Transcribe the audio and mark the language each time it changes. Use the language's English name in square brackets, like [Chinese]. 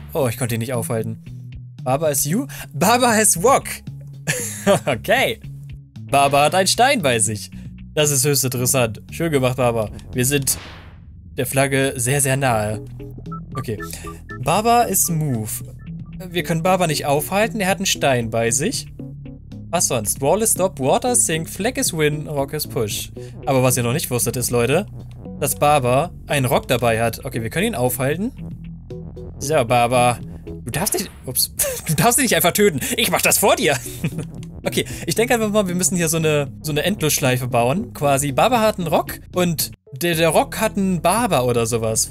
[German] Oh, ich konnte ihn nicht aufhalten. [English] Baba is you? Baba has walk. [German] Okay. Baba hat einen Stein bei sich. Das ist höchst interessant. Schön gemacht, Baba. Wir sind der Flagge sehr, sehr nahe. Okay. [English] Baba is move. [German] Wir können Baba nicht aufhalten. Er hat einen Stein bei sich. Was sonst? [English] Wall is stop, water sink, flag is win, rock is push. [German] Aber was ihr noch nicht wusstet ist, Leute, dass Baba einen Rock dabei hat. Okay, wir können ihn aufhalten. So, Baba. Du darfst dich nicht einfach töten. Ich mach das vor dir. Okay, ich denke einfach mal, wir müssen hier so eine Endlosschleife bauen. Quasi, Baba hat einen Rock und der Rock hat einen Baba oder sowas.